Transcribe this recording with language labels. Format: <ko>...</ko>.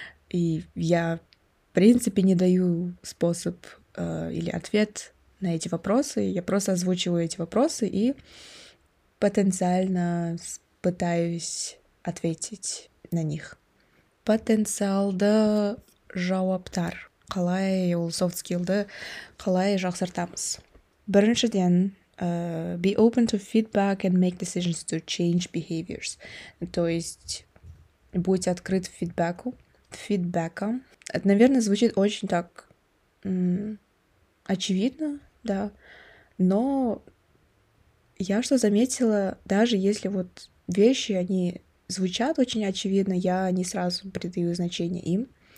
<ru>И я, в принципе, не даю способ или ответ на эти вопросы. Я просто озвучиваю эти вопросы и потенциально пытаюсь ответить на них.</ru> <kk>Потенциал да жауаптар. Қалай ол soft skill-ді қалай жақсартамыз. Біріншіден,</kk> <en>be open to feedback and make decisions to change behaviors.</en> <ru>То есть, будь открыт фидбэку. Фидбэка. Это, наверное, звучит очень так очевидно, да. Но я что заметила, даже если вот вещи, они звучат очень очевидно, я не сразу придаю значение им.</ru>